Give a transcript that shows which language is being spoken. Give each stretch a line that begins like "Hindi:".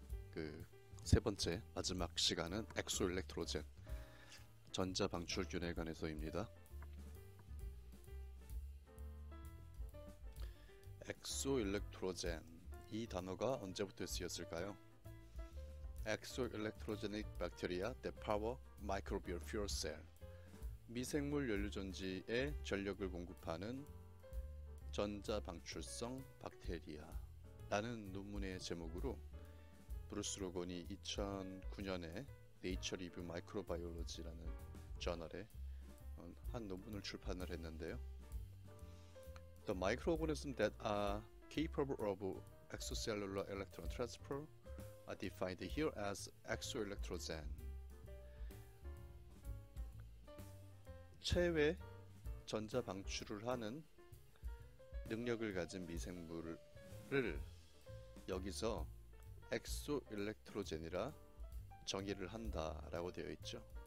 Korean: 그세 번째 마지막 시간은 엑소일렉트로젠 전자 방출균에 관해서입니다. 엑소일렉트로젠 이 단어가 언제부터 쓰였을까요?
English: Exo-electrogenic bacteria that power microbial fuel cell.
Korean: 미생물 연료전지에 전력을 공급하는 전자방출성 박테리아라는 논문의 제목으로 브루스 로건이 2009년에 네이처 리뷰 마이크로바이올로지라는 저널에 한 논문을 출판을 했는데요.
English: The microorganisms that are capable of extracellular electron transfer are defined here as exoelectrogen.
Korean: 체외 전자 방출을 하는 능력을 가진 미생물을 여기서 엑소일렉트로젠이라 정의를 한다라고 되어 있죠.